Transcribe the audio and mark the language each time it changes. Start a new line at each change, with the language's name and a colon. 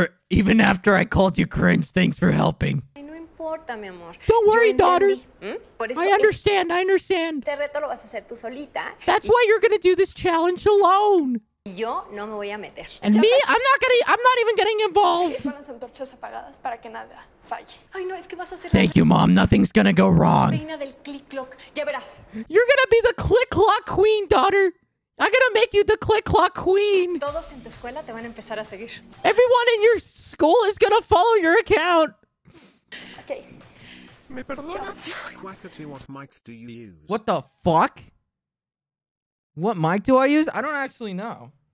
English: Even after I called you cringe, thanks for helping. Don't worry, daughter. I understand.
Spanish: Este reto lo vas a hacer tú solita.
English: That's why you're gonna do this challenge alone.
Spanish: Yo no me voy a meter.
English: And me, I'm not even getting involved.
Spanish: Con las antorchas apagadas para que nada falle. Ay, no, es que vas a hacer.
English: Thank you, mom. Nothing's gonna go wrong.
Spanish: Reina del click-clock. Ya verás.
English: You're gonna be the click-clock queen, daughter. I'm gonna make you the click-clock queen.
Spanish: Todos en tu escuela te van a empezar a seguir.
English: Everyone in your school is gonna follow your account. Okay.
Spanish: Me perdona.
English: Quackity, what mic do you use? What the fuck? What mic do I use? I don't actually know.